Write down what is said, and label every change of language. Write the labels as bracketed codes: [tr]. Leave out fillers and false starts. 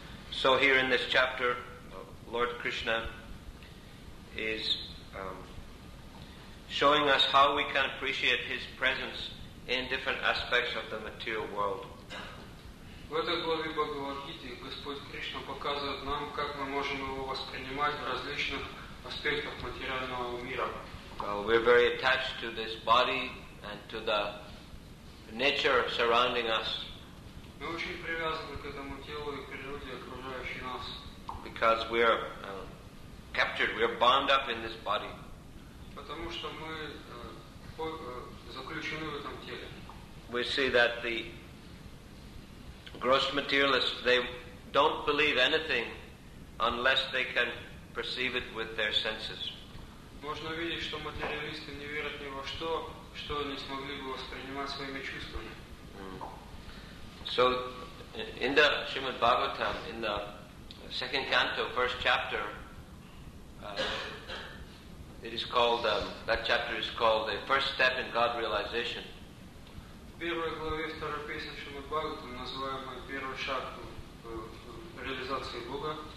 [en] So here in this chapter, Lord Krishna is showing us how we can appreciate his presence in different aspects of the material world. [ru] В этой главе Бхагавад-гиты Господь Кришна показывает нам, как мы можем его воспринимать в различных аспектах материального мира. [en] We're very attached to this body and to the nature surrounding us. [ru] Мы очень привязаны к этому телу и природе, окружающей нас. [en] Because we are captured, we are bound up in this body. [ru] Потому что мы заключены в этом теле. [en] We see that the gross materialists, they don't believe anything unless they can perceive it with their senses. [ru] Можно видеть, что материалисты не верят ни во что, что они смогли бы воспринимать своими чувствами. [en] So, in the Srimad Bhagavatam, in the second canto, first chapter, it is called, that chapter is called the first step in God realization. [ru] В первой главе второй песни Шримад Бхагаватам называемый первый шаг реализации Бога.